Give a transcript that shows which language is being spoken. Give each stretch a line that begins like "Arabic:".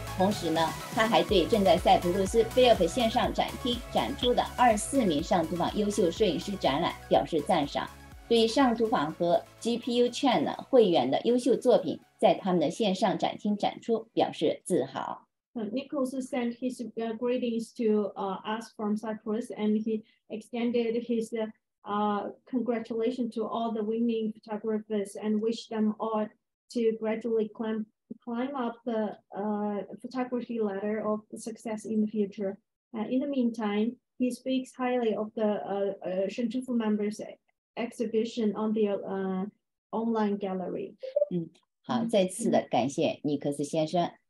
Chinese: 同时呢，他还对正在塞浦路斯 FILP 线上展厅展出的24名上图坊优秀摄影师展览表示赞赏，对上图坊和 GPU-China 会员的优秀作品在他们的线上展厅展出表示自豪。
English: Nichols sent his greetings to us from Cyprus, and he extended his congratulations to all the winning photographers and wished them all to gradually climb up the photography ladder of success in the future. In the meantime, he speaks highly of the Shangtuf members' exhibition on the online gallery.
Chinese: 好，再次的感谢尼克斯先生。